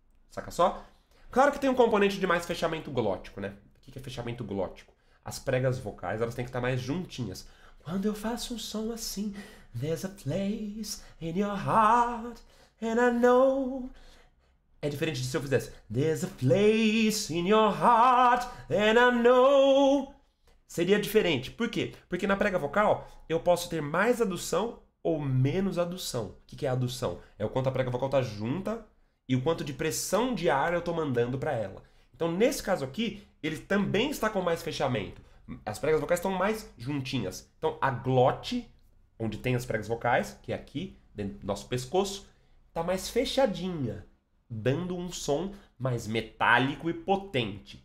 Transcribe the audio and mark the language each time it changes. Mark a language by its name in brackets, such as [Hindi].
[Portuguese] Saca só? Claro que tem um componente de mais fechamento glótico, né? O que é fechamento glótico? As pregas vocais, elas têm que estar mais juntinhas. Quando eu faço um som assim, [English] there's a place in your heart, and I know. [Portuguese] É diferente de se eu fizesse. [English] There's a place in your heart, and I know. [Portuguese] Seria diferente. Por quê? Porque na prega vocal, eu posso ter mais adução ou menos adução. O que é adução? É o quanto a prega vocal está junta e o quanto de pressão de ar eu estou mandando para ela. Então, nesse caso aqui, ele também está com mais fechamento. As pregas vocais estão mais juntinhas. Então, a glote, onde tem as pregas vocais, que é aqui, dentro do nosso pescoço, está mais fechadinha, dando um som mais metálico e potente.